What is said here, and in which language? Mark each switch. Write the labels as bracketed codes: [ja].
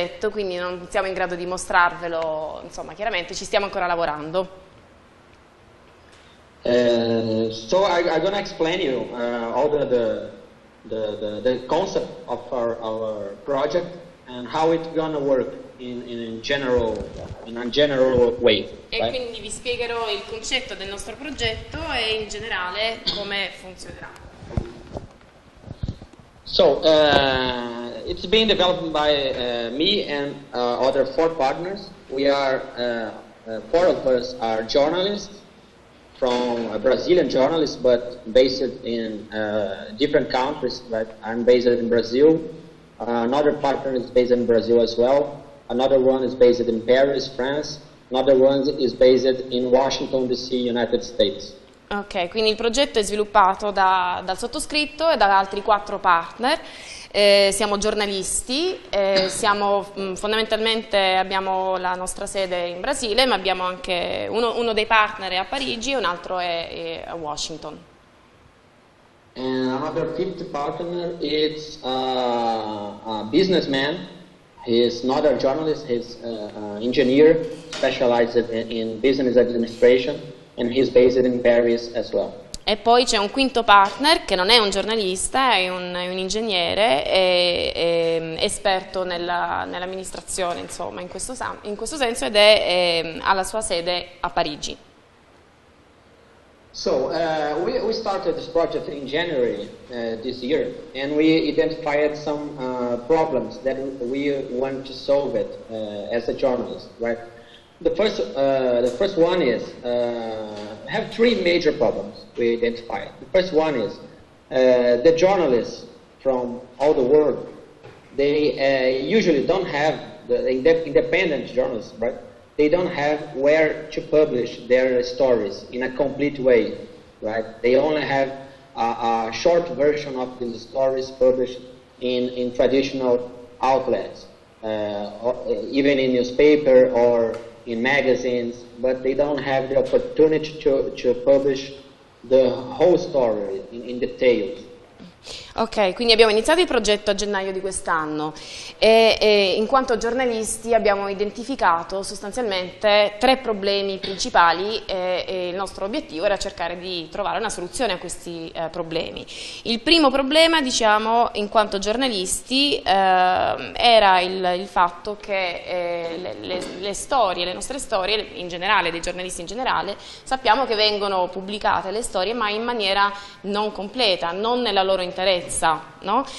[it] quindi non siamo in grado di mostrarvelo, insomma, chiaramente ci stiamo ancora lavorando. [en] So I'm going to explain you all the concept of our project and how it's going to work in a general way. E right? [it] Quindi vi spiegherò il concetto del nostro progetto e in generale come funzionerà. [en] So it's been developed by me and other four partners. We are four of us are journalists from a Brazilian journalist, but based in different countries. But I'm based in Brazil. Another partner is based in Brazil as well. Another one is based in Paris, France. Another one is based in Washington D.C., United States. [it] Ok, quindi il progetto è sviluppato dal sottoscritto e da altri quattro partner. Siamo giornalisti, siamo fondamentalmente abbiamo la nostra sede in Brasile, ma abbiamo anche uno dei partner è a Parigi e un altro è a Washington. [en] And another fifth partner is a businessman. He is not a journalist, he's an engineer, specialized in business administration, and he's based in Paris as well. [it] E poi c'è un quinto partner che non è un giornalista, è un ingegnere, è esperto nell'amministrazione, insomma, in questo senso, ed è alla sua sede a Parigi. [en] So we started this project in January this year, and we identified some problems that we want to solve it as a journalist, right? The first one is have three major problems we identified. The first one is the journalists from all the world, they usually don't have the independent journalists, right? They don't have where to publish their stories in a complete way, right? They only have a short version of the stories published in traditional outlets, or even in newspaper or in magazines, but they don't have the opportunity to publish the whole story in details. [it] Ok, quindi abbiamo iniziato il progetto a gennaio di quest'anno e in quanto giornalisti abbiamo identificato sostanzialmente tre problemi principali e il nostro obiettivo era cercare di trovare una soluzione a questi problemi. Il primo problema, diciamo, in quanto giornalisti era il fatto che le nostre storie, in generale, dei giornalisti in generale, sappiamo che vengono pubblicate le storie ma in maniera non completa, non nella loro interezza, no?